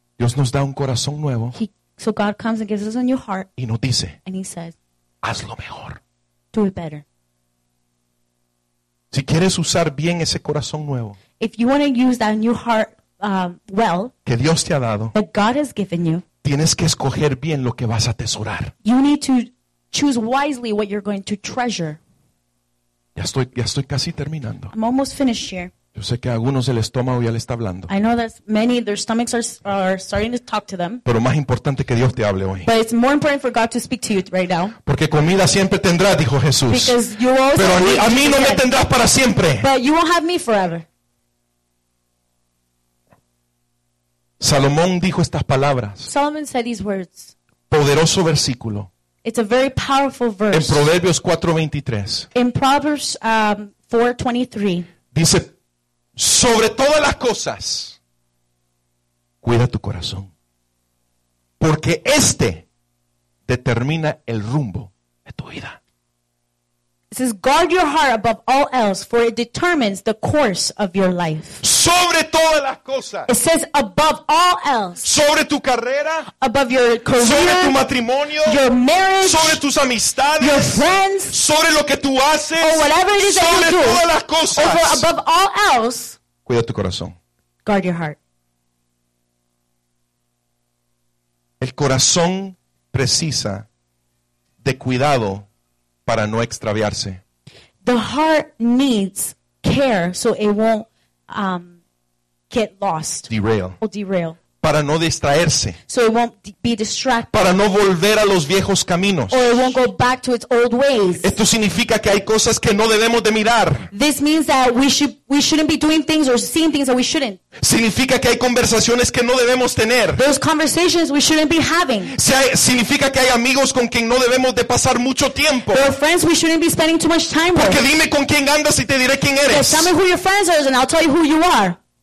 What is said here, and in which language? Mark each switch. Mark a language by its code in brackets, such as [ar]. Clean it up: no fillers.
[es] Dios nos da un corazón nuevo. [en] So God comes and gives us a new heart. [es] Y nos dice. [en] And he says. [es] Hazlo mejor. [en] Do it better. [es] Si quieres usar bien ese corazón nuevo. [en] If you want to use that new heart well. [es] Que Dios te ha dado. [en] That God has given you. [es] Tienes que escoger bien lo que vas a atesorar. [en] You need to choose wisely what you're going to treasure. [es] Ya estoy casi terminando. [en] I'm almost finished here. [es] Yo sé que a algunos el estómago ya le está hablando. [en] I know that many their stomachs are starting to talk to them. [es] Pero más importante que Dios te hable hoy. [en] But it's more important for God to speak to you right now. [es] Porque comida siempre tendrás, dijo Jesús. [en] Because you always. [es] Pero a mí no me tendrás para siempre. [en] But you won't have me forever. [es] Salomón dijo estas palabras. [en] Solomon said these words. [es] Poderoso versículo. [en] It's a very powerful verse. [es] En Proverbios 4:23. [en] In Proverbs 4:23. [es] Dice. Sobre todas las cosas, cuida tu corazón, porque este determina el rumbo de tu vida. [en] It says, guard your heart above all else, for it determines the course of your life. [es] Sobre todas las cosas. [en] It says, above all else. [es] Sobre tu carrera. [en] Above your career. [es] Sobre tu matrimonio. [en] Your marriage. [es] Sobre tus amistades. [en] Your friends. [es] Sobre lo que tú haces. [en] Or whatever it is that you do. [es] Sobre todas las cosas. [en] Over, above all else. [es] Cuida tu corazón. [en] Guard your heart. [es] El corazón precisa de cuidado. Para no extraviarse. [en] The heart needs care so it won't get lost. Derail. Or derail. [es] Para no distraerse. [en] So it won't be distracted. [es] Para no volver a los viejos caminos. [en] Or it won't go back to its old ways. [es] Esto significa que hay cosas que no debemos de mirar. [en] This means that we shouldn't be doing things or seeing things that we shouldn't. [es] Significa que hay conversaciones que no debemos tener. [en] Those conversations we shouldn't be having. [es] Significa que hay amigos con quien no debemos de pasar mucho tiempo. [en] Or friends we shouldn't be spending too much time [es] Porque [en] with. [es] Porque dime con quién andas y te diré quién eres. [en] Yes, tell me who your friends are and I'll tell you who you are.